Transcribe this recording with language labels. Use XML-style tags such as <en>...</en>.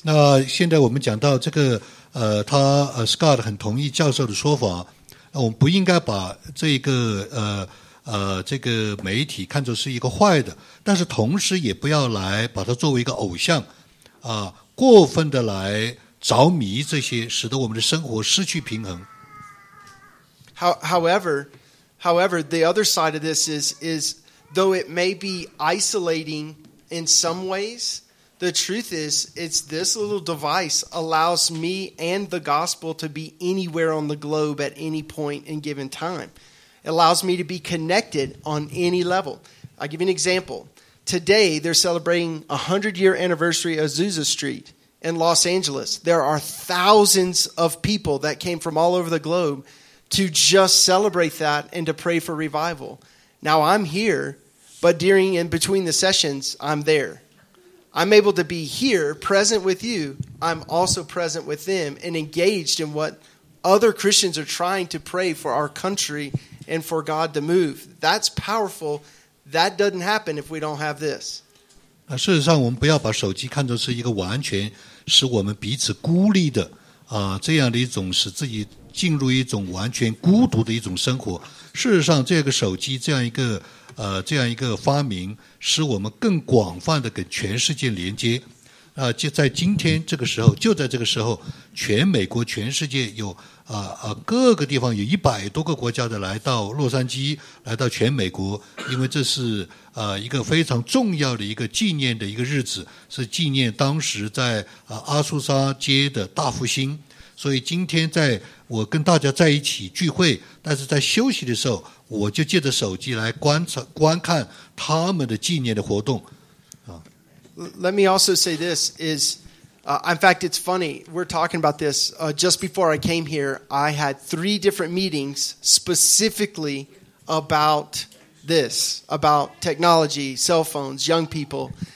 <zh>那现在我们讲到这个Scott 很同意教授的说法，我们不应该把这个这个媒体看作是一个坏的，但是同时也不要来把它作为一个偶像，过分的来着迷这些，使得我们的生活失去平衡。</zh> <en>However, the other side of this is though it may be isolating in some ways. The truth is, it's this little device allows me and the gospel to be anywhere on the globe at any point in given time. It allows me to be connected on any level. I'll give you an example. Today, they're celebrating 100-year anniversary of Azusa Street in Los Angeles. There are thousands of people that came from all over the globe to just celebrate that and to pray for revival. Now, I'm here, but during and between the sessions, I'm there. I'm able to be here, present with you. I'm also present with them and engaged in what other Christians are trying to pray for our country and for God to move. That's powerful. That doesn't happen if we don't have this.</en> <zh>事实上，我们不要把手机看作是一个完全使我们彼此孤立的这样的一种使自己进入一种完全孤独的一种生活。事实上，这个手机这样一个这样一个发明使我们更广泛的跟全世界连接，就在今天这个时候，就在这个时候，全美国全世界有各个地方有100多个国家的来到洛杉矶，来到全美国，因为这是一个非常重要的一个纪念的一个日子，是纪念当时在阿苏沙街的大复兴。所以今天在我跟大家在一起聚会，但是在休息的时候，我就借着手机来观看他们的纪念的活动。</zh> <en>Let me also say this is, in fact, it's funny, we're talking about this. Just before I came here, I had 3 different meetings specifically about this, about technology, cell phones, young people.</en>